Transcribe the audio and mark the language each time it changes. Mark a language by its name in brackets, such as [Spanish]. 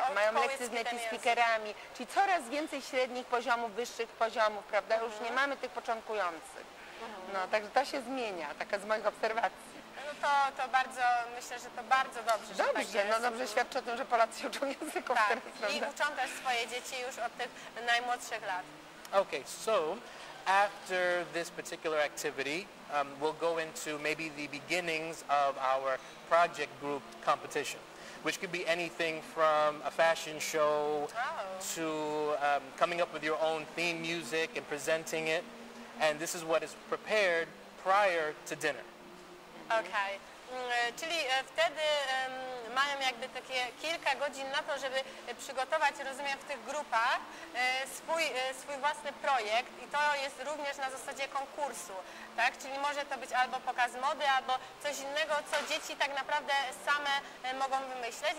[Polish] Tak, mają lekcje z native speakerami, czyli coraz więcej średnich poziomów, wyższych poziomów, prawda? Już nie mamy tych początkujących. No, także to się zmienia, taka z moich obserwacji. To bardzo, myślę, że to bardzo dobrze. Dobrze, tak, no dobrze świadczy o tym, że Polacy uczą języków tak, teraz, prawda? I uczą też swoje dzieci już od tych najmłodszych lat. [English] Okay, so after this particular activity, we'll go into maybe the beginnings of our project group competition, which could be anything from a fashion show to coming up with your own theme music and presenting it. And this is what is prepared prior to dinner. [Polish] Okej, czyli wtedy mają jakby takie kilka godzin na to, żeby przygotować, rozumiem, w tych grupach swój własny projekt i to jest również na zasadzie konkursu, tak? Czyli może to być albo pokaz mody, albo coś innego, co dzieci tak naprawdę same mogą wymyśleć.